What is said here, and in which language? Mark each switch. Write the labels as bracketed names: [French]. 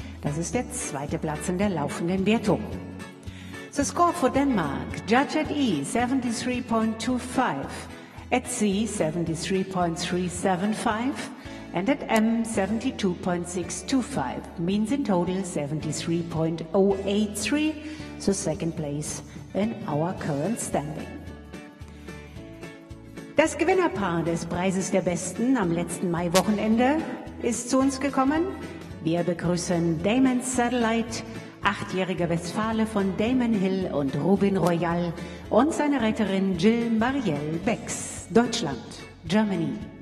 [German] Das ist der zweite Platz in der laufenden Wertung. [English] The score for Denmark, judge at E, 73.25, at C, 73.375, and at M, 72.625, means in total 73.083, so second place in our current standing. [German] Das Gewinnerpaar des Preises der Besten am letzten Maiwochenende ist zu uns gekommen. Wir begrüßen Damon Satellite, 8-jähriger Westfale von Damon Hill und Rubin Royal und seine Retterin Jill Marielle Bex, Deutschland, Germany.